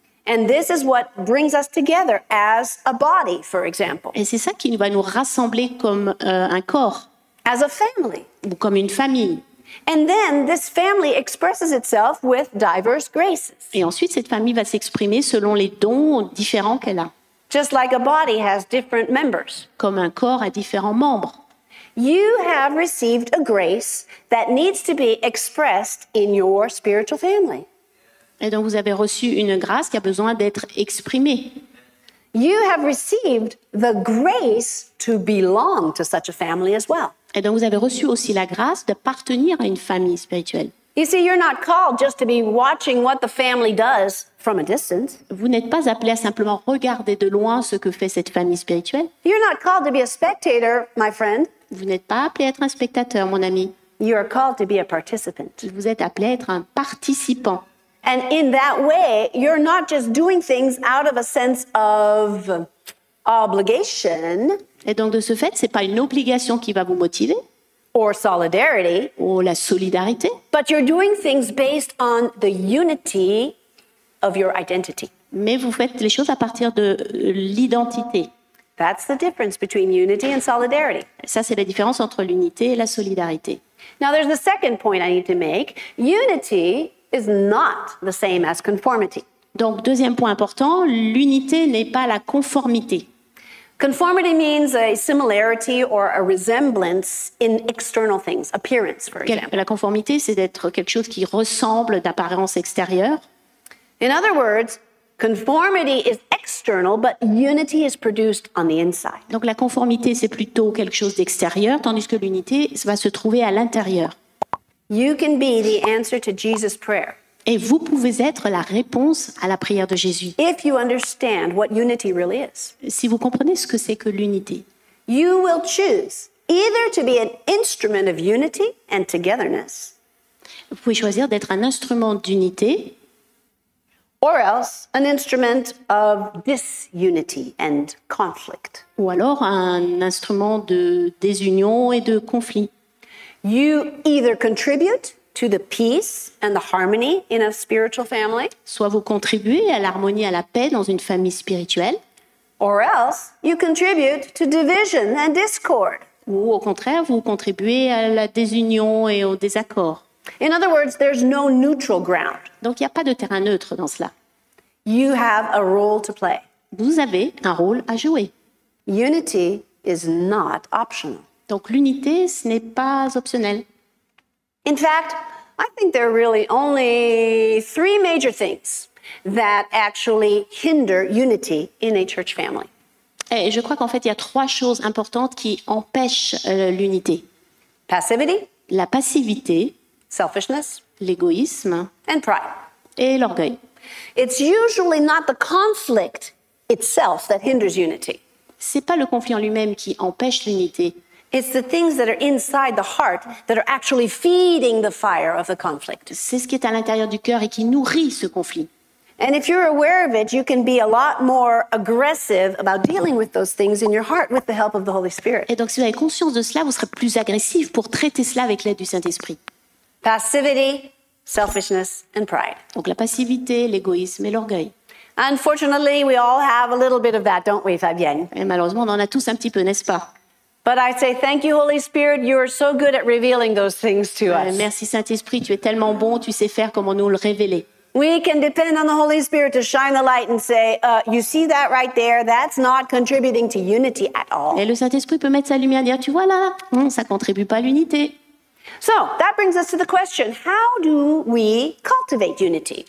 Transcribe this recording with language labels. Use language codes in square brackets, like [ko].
[en] And this is what brings us together as a body, for example. [fr] Et c'est ça qui va nous rassembler comme un corps. [en] As a family. [fr] Ou comme une famille. [en] And then this family expresses itself with diverse graces. [fr] Et ensuite, cette famille va s'exprimer selon les dons différents qu'elle a. [en] Just like a body has different members. [fr] Comme un corps a différents membres. [en] You have received a grace that needs to be expressed in your spiritual family. [fr] Et donc vous avez reçu une grâce qui a besoin d'être exprimée. [en] You have received the grace to belong to such a family as well. [fr] Et donc vous avez reçu aussi la grâce d'appartenir à une famille spirituelle. [en] You see, you're not called just to be watching what the family does from a distance. [fr] Vous n'êtes pas appelé à simplement regarder de loin ce que fait cette famille spirituelle. [en] You're not called to be a spectator, my friend. [fr] Vous n'êtes pas appelé à être un spectateur, mon ami. [en] You are called to be a participant. [fr] Vous êtes appelé à être un participant. [en] And in that way, you're not just doing things out of a sense of obligation. [fr] Et donc de ce fait, c'est pas une obligation qui va vous motiver. [en] Or solidarity. [fr] Ou la solidarité. [en] But you're doing things based on the unity of your identity. [fr] Mais vous faites les choses à partir de l'identité. [en] That's the difference between unity and solidarity. [fr] Ça, c'est la différence entre l'unité et la solidarité. [en] Now there's a second point I need to make. Unity is not the same as conformity. [fr] Donc, deuxième point important, l'unité n'est pas la conformité. [en] Conformity means a similarity or a resemblance in external things, appearance, for example. [fr] La conformité, c'est d'être quelque chose qui ressemble d'apparence extérieure. [en] In other words, conformity is external, but unity is produced on the inside. [fr] Donc, la conformité, c'est plutôt quelque chose d'extérieur, tandis que l'unité va se trouver à l'intérieur. [en] You can be the answer to Jesus' prayer. [fr] Et vous pouvez être la réponse à la prière de Jésus. [en] If you understand what unity really is. [fr] Si vous comprenez ce que c'est que l'unité. [en] You will choose either to be an instrument of unity and togetherness. [fr] Vous pouvez choisir d'être un instrument d'unité. [en] Or else an instrument of disunity and conflict. [fr] Ou alors un instrument de désunion et de conflit. [en] You either contribute to the peace and the harmony in a spiritual family. [fr] Soit vous contribuez à l'harmonie, à la paix dans une famille spirituelle. [en] Or else you contribute to division and discord. [fr] Ou au contraire, vous contribuez à la désunion et au désaccord. [en] In other words, there's no neutral ground. [fr] Donc il n'y a pas de terrain neutre dans cela. [en] You have a role to play. [fr] Vous avez un rôle à jouer. [en] Unity is not optional. [fr] Donc l'unité, ce n'est pas optionnel. [en] In fact, I think there are really only three major things that actually hinder unity in a church family. [fr] Et je crois qu'en fait, il y a trois choses importantes qui empêchent l'unité. [en] Passivity. [fr] La passivité. [en] Selfishness. [fr] L'égoïsme. [en] And pride. [fr] Et l'orgueil. [en] It's usually not the conflict itself that hinders unity. [fr] C'est pas le conflit en lui-même qui empêche l'unité. [en] It's the things that are inside the heart that are actually feeding the fire of the conflict. [fr] C'est ce qui est à l'intérieur du cœur et qui nourrit ce conflit. [en] And if you're aware of it, you can be a lot more aggressive about dealing with those things in your heart with the help of the Holy Spirit. [fr] Et donc si vous avez conscience de cela, vous serez plus agressif pour traiter cela avec l'aide du Saint-Esprit. [en] Passivity, selfishness and pride. [fr] Donc la passivité, l'égoïsme et l'orgueil. [en] Unfortunately, we all have a little bit of that, don't we, Fabienne? [fr] Et malheureusement, on en a tous un petit peu, n'est-ce pas? [en] But I say thank you, Holy Spirit. You are so good at revealing those things to us. [fr] Merci Saint Esprit, tu es tellement bon. Tu sais faire comment nous le révéler. [en] We can depend on the Holy Spirit to shine the light and say, you see that right there? That's not contributing to unity at all. [fr] Et le Saint Esprit peut mettre sa lumière et dire, tu vois là, ça contribue pas à l'unité. [en] So that brings us to the question: how do we cultivate unity?